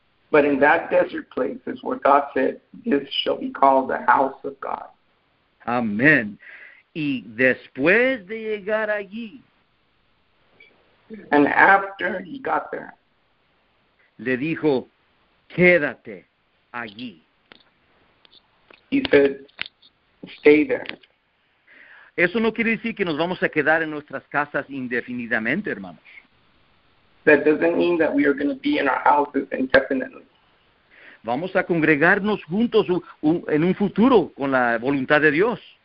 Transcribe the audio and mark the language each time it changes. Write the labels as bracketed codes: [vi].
[en] But in that desert place is where God said, this shall be called the house of God. [es] Amén. Y después de llegar allí. [en] And after he got there. [es] Le dijo, quédate allí. [en] He said, stay there. [es] Eso no quiere decir que nos vamos a quedar en nuestras casas indefinidamente, hermanos. [en] That doesn't mean that we are going to be in our houses indefinitely. [es] Vamos a congregarnos juntos en un futuro con la voluntad de Dios.